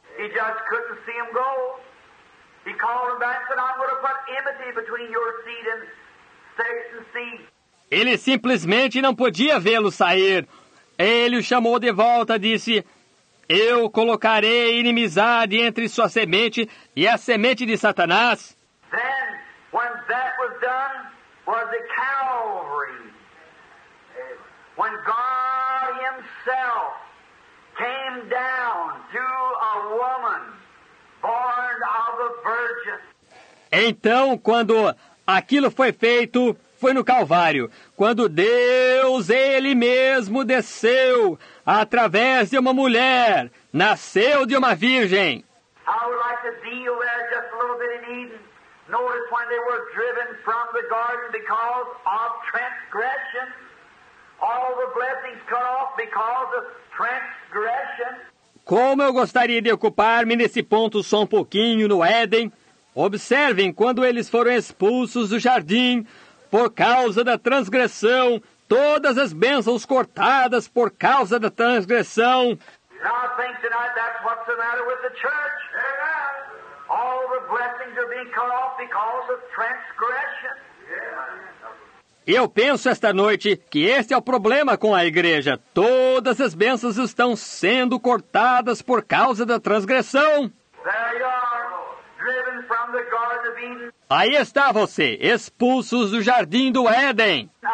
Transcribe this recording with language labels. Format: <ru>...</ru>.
<en>He just couldn't see him go. He called him back and said, I'm going to put enmity between your seed and Satan's seed.</en> <pt>Ele simplesmente não podia vê-lo sair. Ele o chamou de volta, disse, eu colocarei inimizade entre sua semente e a semente de Satanás.</pt> <en>Then, when that was done, was the Calvary. When God himself came down to a woman born of a virgin.</en> <pt>Então, quando aquilo foi feito, foi no Calvário. Quando Deus, Ele mesmo, desceu através de uma mulher, nasceu de uma virgem.</pt> <en>I would like to deal there just a little bit in Eden. Notice when they were driven from the garden because of transgression. All the blessings cut off because of transgression.</en> <pt>Como eu gostaria de ocupar-me nesse ponto só um pouquinho no Éden. Observem, quando eles foram expulsos do jardim, por causa da transgressão, todas as bênçãos cortadas por causa da transgressão.</pt> <en>Now I think tonight that's what's the matter with the church. Yeah. All the blessings are being cut off because of transgression. Yeah.</en> <pt>Eu penso esta noite que este é o problema com a igreja. Todas as bênçãos estão sendo cortadas por causa da transgressão.</pt> <en>There you are, driven from the Garden of Eden.</en> <pt>Aí está você, expulsos do Jardim do Éden.</pt>